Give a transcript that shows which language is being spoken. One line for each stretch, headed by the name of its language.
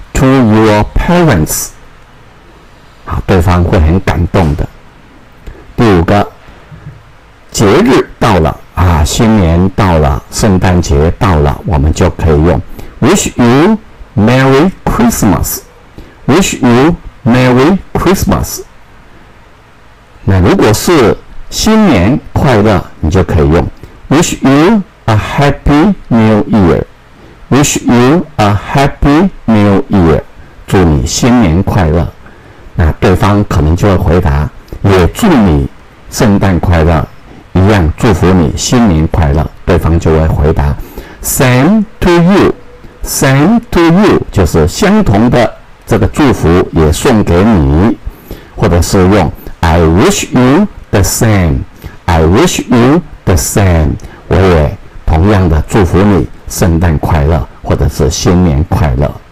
English: To your parents，
Chinese: 好，对方会很感动的。第五个，节日到了啊，新年到了，圣诞节到了，我们就可以用
English: Wish you Merry Christmas，
Chinese: Wish you Merry Christmas。那如果是新年快乐，你就可以用
English: Wish you a Happy New Year，
Chinese: Wish you a Happy New Year。祝你新年快乐，那对方可能就会回答，也祝你圣诞快乐，一样祝福你新年快乐。对方就会回答 ，
English: Same to you，Same to you，
Chinese: 就是相同的这个祝福也送给你，或者是用
English: I wish you the same，
Chinese: I wish you the same， 我也同样的祝福你圣诞快乐，或者是新年快乐。